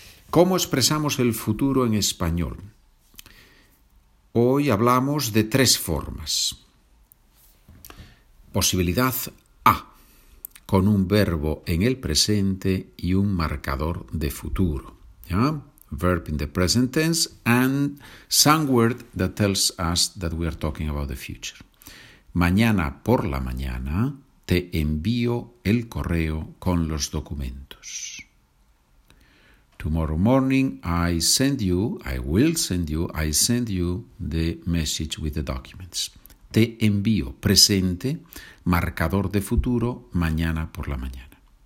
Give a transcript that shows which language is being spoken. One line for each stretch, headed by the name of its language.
Spanish: ¿Cómo expresamos el futuro en español? Hoy hablamos de tres formas. Posibilidad A, con un verbo en el presente y un marcador de futuro. ¿Ya?
English: Verb in the present tense and some word that tells us that we are talking about the future.
Spanish: Mañana por la mañana te envío el correo con los documentos.
English: Tomorrow morning I send you the message with the documents.
Spanish: Te envío, presente, marcador de futuro, mañana por la mañana.